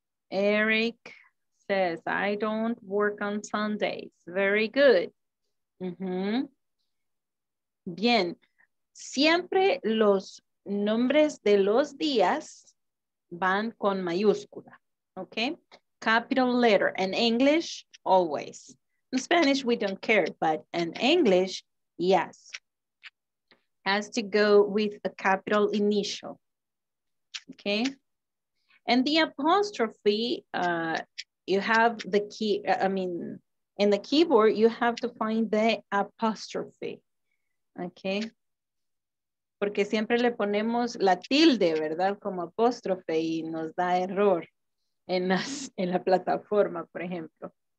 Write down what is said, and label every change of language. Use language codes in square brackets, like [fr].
[en] Eric says, I don't work on Sundays. Very good. Mm-hmm. [es] Bien, siempre los nombres de los días van con mayúscula. [en] Okay, capital letter in English, always. In Spanish, we don't care, but in English, yes, has to go with a capital initial, okay? And the apostrophe, you have the key, I mean, in the keyboard, you have to find the apostrophe, okay? [es] Porque siempre le ponemos la tilde, ¿verdad? Como apóstrofe y nos da error en la plataforma, por ejemplo.